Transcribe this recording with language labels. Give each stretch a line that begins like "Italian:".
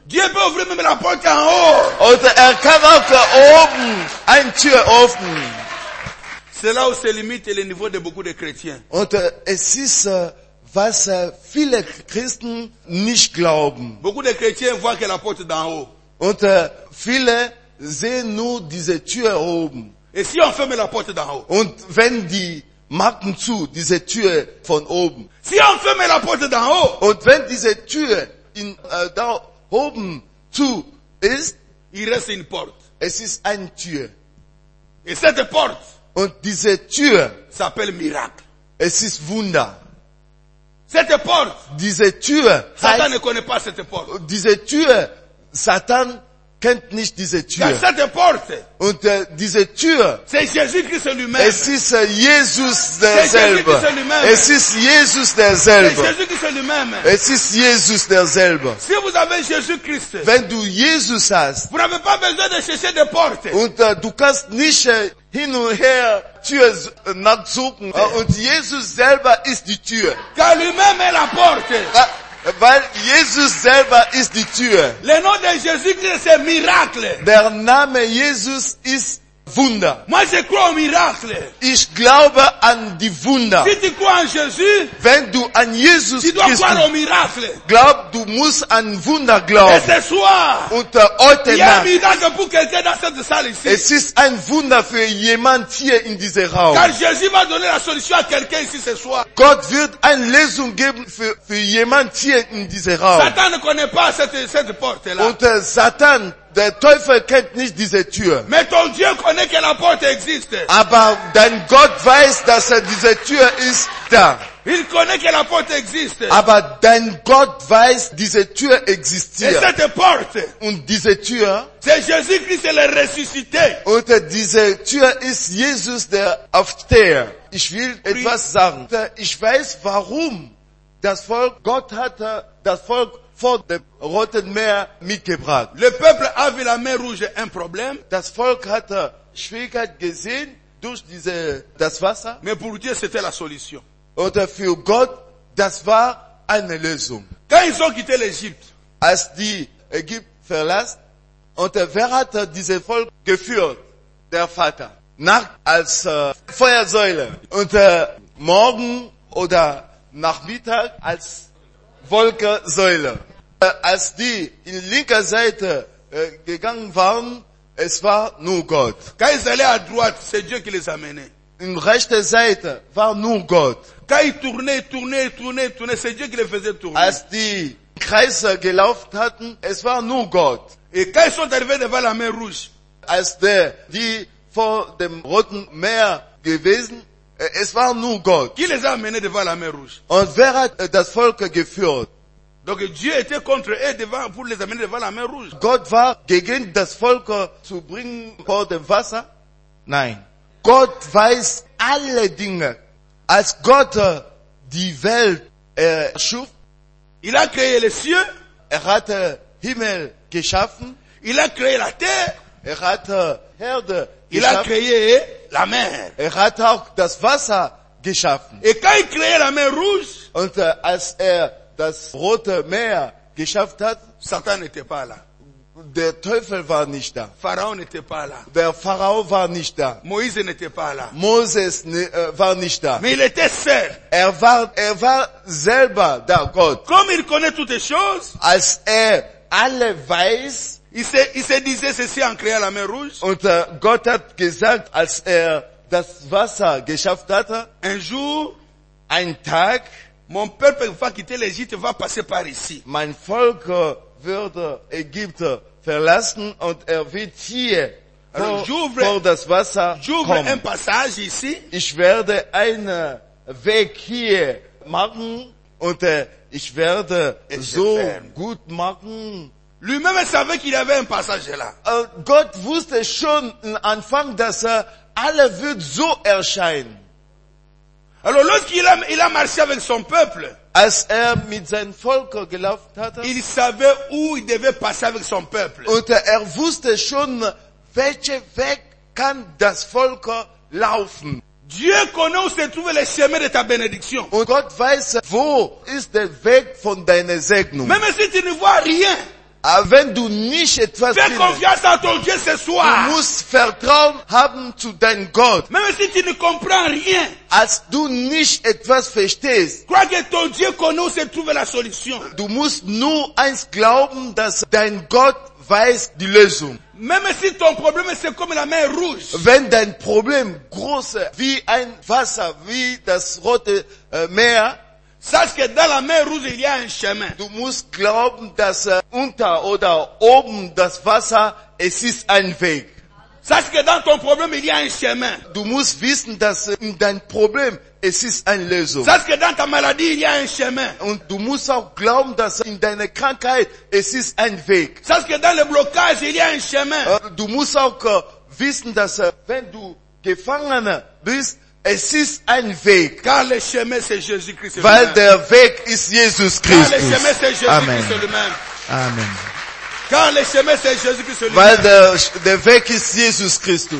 French: Dieu peut ouvrir même la porte en haut.
German: Und er kann auch oben eine Tür öffnen.
French: C'est là où se limite le niveau de beaucoup de chrétiens.
German: Und es ist was viele Christen nicht glauben.
French: Beaucoup de chrétiens voient que la porte est d'en haut.
German: Und viele sehen nur diese Tür oben.
French: Et si on ferme la porte d'en haut?
German: Und wenn die machen zu diese Tür von oben.
French: Si on ferme la porte d'en haut?
German: Und wenn diese Tür in da oben zu ist,
French: il reste une porte.
German: Es ist eine Tür.
French: Et cette porte,
German: und diese Tür
French: s'appelle miracle.
German: Es ist Wunder.
French: Cette porte,
German: diese Tür,
French: Satan ne connaît pas cette porte.
German: Diese Tür, Satan kennt nicht diese Tür.
French: Dans cette porte,
German: und diese Tür,
French: c'est Jésus-Christ lui-même.
German: Es ist Jesus derselbe.
French: C'est Jésus-Christ lui-même.
German: Es ist Jesus derselbe.
French: C'est Jésus-Christ lui-même.
German: Es ist Jesus derselbe.
French: Si vous avez Jésus-Christ,
German: wenn du Jesus hast,
French: vous n'avez pas besoin de chercher de porte.
German: Und du kannst nicht hin und her Tür nachsuchen. Und Jesus selber ist die Tür.
French: Car lui-même est la porte.
German: Weil Jesus selber ist die Tür.
French: Le nom de Jésus-Christ, c'est miracle.
German: Der Name Jesus ist Wunder.
French: Moi, je crois au miracle.
German: Ich glaube an die Wunder.
French: Si tu crois en Jésus,
German: wenn du an Jesus glaubst,
French: croire au miracle.
German: Glaub, du musst an Wunder glauben.
French: Et ce soir,
German: und heute Nacht,
French: un miracle pour quelqu'un dans cette salle ici.
German: Es ist ein Wunder für jemand hier in diesem Raum.
French: Car Jésus m'a donné la solution à quelqu'un ici ce soir.
German: Gott wird eine Lösung geben für jemand hier in diesem Raum.
French: Satan ne connaît pas cette porte-là.
German: Und Satan, der Teufel kennt nicht diese Tür.
French: Mais ton Dieu connaît que la porte existe.
German: Aber dein Gott weiß, dass diese Tür ist da.
French: Il connaît que la porte existe.
German: Aber dein Gott weiß, diese Tür existiert.
French: Et cette porte.
German: Und diese Tür.
French: C'est Jésus-Christ le ressuscité.
German: Und diese Tür ist Jesus der Aufsteher. Ich will etwas sagen. Ich weiß, warum das Volk Gott hatte, das Volk vor dem Roten Meer mitgebracht.
French: Le peuple a vu la mer rouge un problème.
German: Das Volk hatte Schwierigkeit gesehen durch diese das Wasser.
French: Mais pour Dieu, c'était la solution.
German: Und für Gott, das war eine Lösung.
French: Quand ils ont quitté l'Égypte,
German: als die Ägypten verlassen, und wer hat dieses Volk geführt? Der Vater. Nacht als Feuersäule. Und morgen oder Nachmittag als Wolkensäule. Als die in linker Seite gegangen waren, es war nur Gott.
French: Quand ils allaient à droite, c'est Dieu qui les amenait.
German: In rechte Seite war nur Gott.
French: Quand ils tournaient, c'est Dieu qui les faisait tourner.
German: Als die Kreise gelaufen hatten, es war nur Gott.
French: Et quand ils sont arrivés devant la mer rouge,
German: als die vor dem Roten Meer gewesen, es war nur Gott.
French: Qui les a amenés devant la mer rouge?
German: Und wer hat das Volk geführt?
French: Donc Dieu était contre eux devant pour les amener devant la mer rouge.
German: God war gegen das Volk zu bringen vor dem Wasser? Nein. Gott weiß alle Dinge. Als Gott die Welt schuf,
French: il a créé les cieux.
German: Er hat Himmel geschaffen.
French: Il a créé la terre.
German: Er hat Erde geschaffen.
French: Il a créé la mer.
German: Er hat auch das Wasser geschaffen.
French: Et quand il créé la mer rouge,
German: und als das Rote Meer geschafft hat,
French: Satan n'était pas là.
German: Der Teufel war nicht da.
French: Pharao n'était pas là.
German: Der Pharao war nicht da.
French: Moïse n'était pas là.
German: Moses war nicht da.
French: Mais il était seul.
German: Er war selber da, Gott.
French: Comme il connaît toutes les choses,
German: als alle weiß,
French: il s'est disait ceci en créant la mer rouge.
German: Und Gott hat gesagt, als das Wasser geschafft hat,
French: un jour,
German: ein Tag,
French: mon peuple va quitter l'Égypte, va passer par ici.
German: Mein Volk wird Ägypte verlassen und wird hier vor das Wasser kommen.
French: Un passage ici.
German: Ich werde einen Weg hier machen und ich werde so gut machen.
French: Lui-même savait qu'il avait un passage là.
German: Gott wusste schon am Anfang, dass alle wird so erscheinen.
French: Alors lorsqu'il a marché avec son peuple,
German: als mit seinem Volk gelaufen hatte,
French: il savait où il devait passer avec son peuple.
German: Und wusste schon, welchen Weg kann das Volk laufen.
French: Dieu connaît où se trouve le chemin de ta bénédiction.
German: Und Gott weiß, wo ist der Weg von deiner Segnung.
French: Même si tu ne vois rien,
German: wenn du nicht etwas
French: fais confiance à ton Dieu ce soir.
German: Du musst Vertrauen haben zu deinem Gott.
French: Même si tu ne comprends rien,
German: als du nicht etwas verstehst.
French: Crois que ton Dieu connaît où se trouve la solution.
German: Du musst nur eins glauben, dass dein Gott weiß die Lösung.
French: Même si ton problème c'est comme la mer rouge.
German: Wenn dein Problem groß ist, wie ein Wasser, wie das rote Meer.
French: Sache que dans la mer rouge il y a un chemin.
German: Du musst glauben, dass unter oder oben das Wasser es ist ein Weg.
French: Sache que dans ton problème il y a un chemin.
German: Du musst wissen, dass in deinem Problem es ist eine Lösung.
French: Sache que dans ta maladie il y a un chemin.
German: Und du musst auch glauben, dass in deiner Krankheit es ist ein Weg.
French: Sache que dans le blocage il y a un chemin.
German: Du musst auch wissen, dass wenn du gefangen bist, es ist ein Weg.
French: Car le chemin, c'est Jésus Christ.
German: Weil der Weg ist Jesus Christus.
French: Car le chemin, c'est Jésus Amen. Christ. Amen. Car le chemin, c'est Jésus Christ.
German: Weil der Weg ist Jesus Christus.